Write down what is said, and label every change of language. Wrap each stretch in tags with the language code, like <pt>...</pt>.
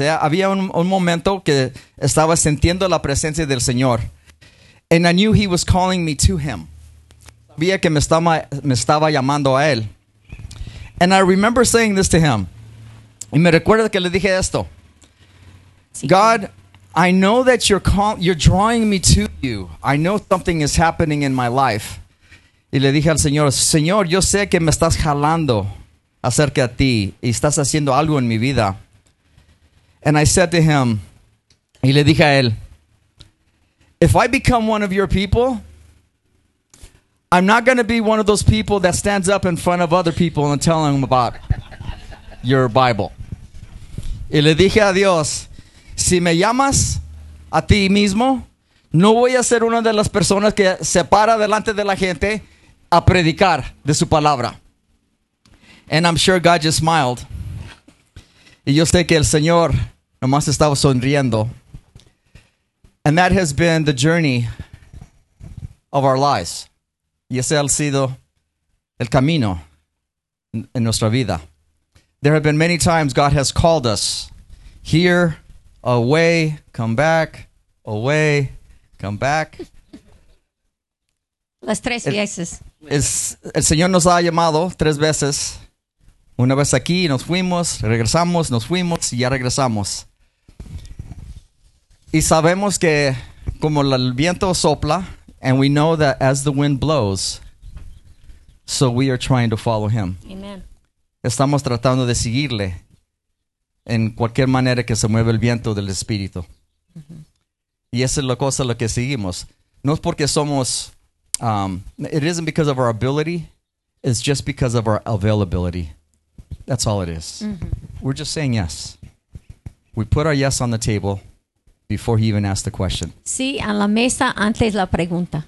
<es>Había un momento que estaba sintiendo la presencia del Señor.</es> <en>And I knew he was calling me to him.</en> <es>Vía que me estaba llamando a él.</es> <en>And I remember saying this to him.</en> <es>Y me recuerda que le dije esto.</es> <en>God, I know that you're drawing me to you. I know something is happening in my life.</en> <es>Y le dije al Señor, Señor, yo sé que me estás jalando acerca de ti. Y estás haciendo algo en mi vida.</es> <en>And I said to him,</en> <es>y le dije a él,</es> <en>if I become one of your people, I'm not going to be one of those people that stands up in front of other people and tell them about your Bible.</en> <es>Y le dije a Dios, si me llamas a ti mismo, no voy a ser una de las personas que se para delante de la gente a predicar de su palabra.</es> <en>And I'm sure God just smiled.</en> <es>Y yo sé que el Señor nomás estaba sonriendo.</es> <en>And that has been the journey of our lives.</en> <es>Y ese ha sido el camino en nuestra vida.</es> <en>There have been many times God has called us here, away, come back, away, come back.</en> <es>Las tres veces. El Señor nos ha llamado tres veces. Una vez aquí, nos fuimos, regresamos, nos fuimos, y ya regresamos. Y sabemos que como el viento sopla,</es> <en>and we know that as the wind blows, so we are trying to follow him. Amen.</en> <es>Estamos tratando de seguirle en cualquier manera que se mueve el viento del Espíritu. Mm-hmm. Y esa es la cosa lo que seguimos. No es porque somos,</es> <en>it isn't because of our ability, it's just because of our availability. That's all it is. Mm-hmm. We're just saying yes. We put our yes on the table. Before he even asked the question.</en> <es>Sí, en la mesa antes la pregunta.</es>